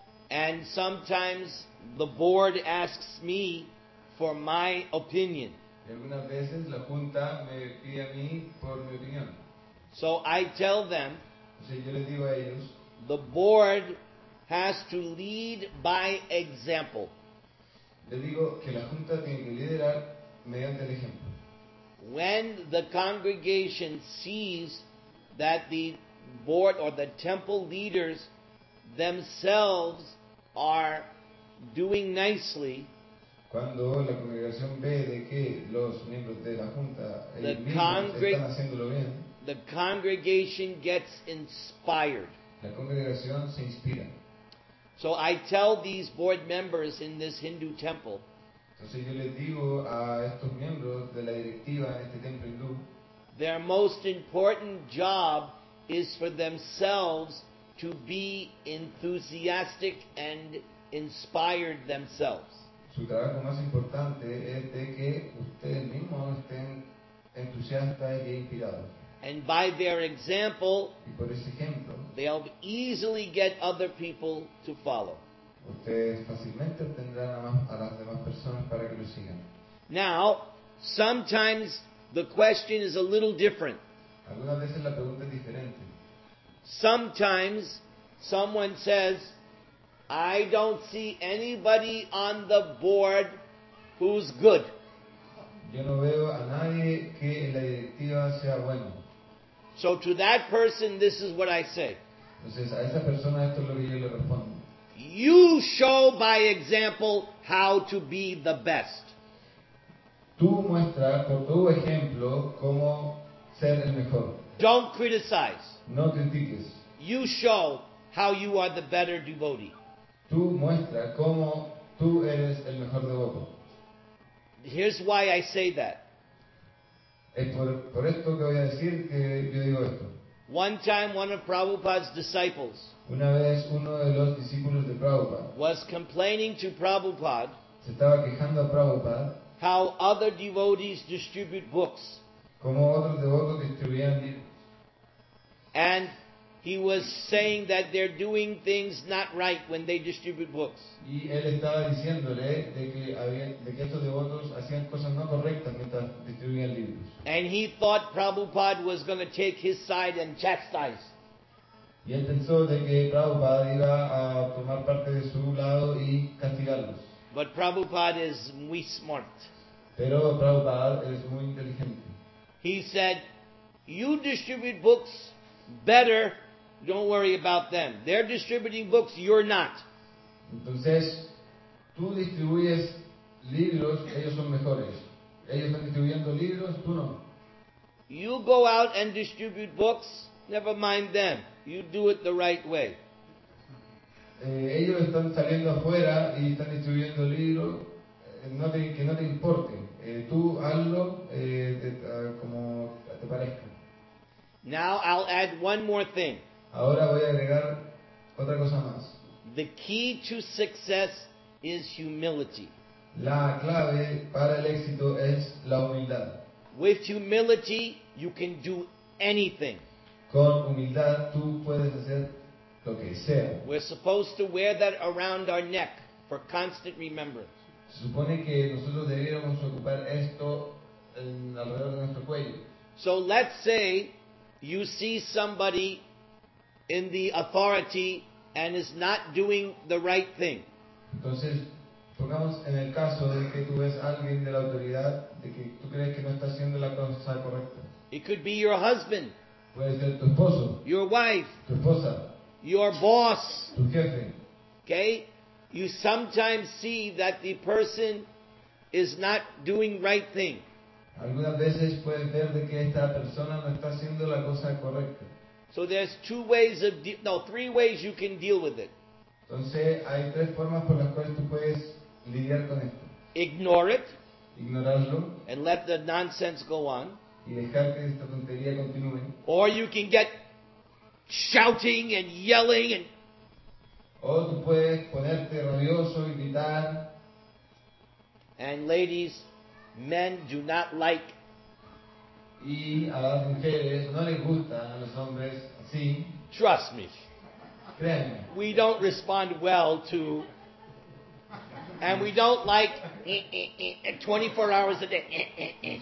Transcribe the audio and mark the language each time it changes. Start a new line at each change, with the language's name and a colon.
English: And sometimes the board asks me for my opinion.
Spanish: Algunas veces la junta me pide a mí por mi opinión.
English: So I tell them,
Spanish: entonces yo les digo a ellos,
English: the board has to lead by example.
Spanish: Les digo que la junta tiene que liderar mediante el ejemplo.
English: When the congregation sees that the board or the temple leaders themselves are doing nicely,
Spanish: cuando la congregación ve de que los miembros de la junta están haciéndolo bien,
English: the congregation gets inspired.
Spanish: La congregación se inspira.
English: So I tell these board members in this Hindu temple,
Spanish: entonces yo les digo a estos miembros de la directiva en este templo hindú,
English: their most important job is for themselves to be enthusiastic and inspired themselves.
Spanish: Su trabajo más importante es de que ustedes mismos estén entusiastas e inspirados.
English: And by their example,
Spanish: y por ese ejemplo,
English: they'll easily get other people to follow.
Spanish: Ustedes fácilmente obtendrán a las demás personas para que lo sigan.
English: Now, sometimes the question is a little different.
Spanish: Algunas veces la pregunta es diferente.
English: Sometimes someone says, I don't see anybody on the board who's good.
Spanish: Yo no veo a nadie que en la directiva sea bueno.
English: So to that person, this is what I say.
Spanish: Entonces, a esa persona, esto es lo que yo le respondo.
English: You show by example how to be the best.
Spanish: Tú muestra por tu ejemplo cómo ser el mejor.
English: Don't criticize.
Spanish: No critiques.
English: You show how you are the better devotee.
Spanish: Tú muestra cómo tú eres el mejor devoto.
English: Here's why I say that.
Spanish: Es por esto que voy a decir que yo digo esto.
English: One time one of Prabhupada's disciples,
Spanish: una vez uno de los discípulos de Prabhupada,
English: was complaining to Prabhupada,
Spanish: se estaba quejando a Prabhupada,
English: how other devotees distribute books.
Spanish: Cómo otros devotos distribuían libros.
English: And He was saying that they're doing things not right when they distribute books.
Spanish: Y él estaba diciéndole de que estos devotos hacían cosas no correctas mientras distribuían libros.
English: And he thought Prabhupada was going to take his side and chastise.
Spanish: Y él pensó de que Prabhupada iba a tomar parte de su lado y castigarlos.
English: But Prabhupada is
Spanish: muy
English: smart.
Spanish: Pero Prabhupada es muy inteligente.
English: He said, "You distribute books better, don't worry about them. They're distributing books, you're not."
Spanish: Entonces, tú distribuyes libros, ellos son mejores. Ellos están distribuyendo libros, tú no.
English: You go out and distribute books, never mind them. You do it the right way.
Spanish: Ellos están saliendo afuera y están distribuyendo libros, que no te importe. Tú hazlo como te parezca.
English: Now I'll add one more thing.
Spanish: Ahora voy a agregar otra cosa más.
English: The key to success is humility.
Spanish: La clave para el éxito es la humildad.
English: With humility, you can do anything.
Spanish: Con humildad, tú puedes hacer lo que sea.
English: We're supposed to wear that around our neck for constant remembrance.
Spanish: Se supone que nosotros debiéramos ocupar esto alrededor de nuestro cuello.
English: So let's say you see somebody in the authority and is not doing the right thing.
Spanish: Entonces, pongamos en el caso de que tú ves a alguien de la autoridad, de que tú crees que no está haciendo la cosa correcta.
English: It could be your husband.
Spanish: Puede ser tu esposo.
English: Your wife.
Spanish: Tu esposa.
English: Your boss.
Spanish: Tu jefe.
English: Okay? You sometimes see that the person is not doing right thing.
Spanish: Algunas veces puedes ver de que esta persona no está haciendo la cosa correcta.
English: So there's three ways you can deal with it.
Spanish: Entonces hay tres formas por las cuales tú puedes lidiar con esto.
English: Ignore it.
Spanish: Ignorarlo.
English: And let the nonsense go on.
Spanish: Y dejar que esta tontería continúe.
English: Or you can get shouting and yelling and.
Spanish: O tú puedes ponerte rabioso y gritar.
English: And ladies, men do not like.
Spanish: Y a las mujeres no les gusta a los hombres así.
English: Trust me.
Spanish: Créeme.
English: We don't respond well to, and we don't like 24 hours a day.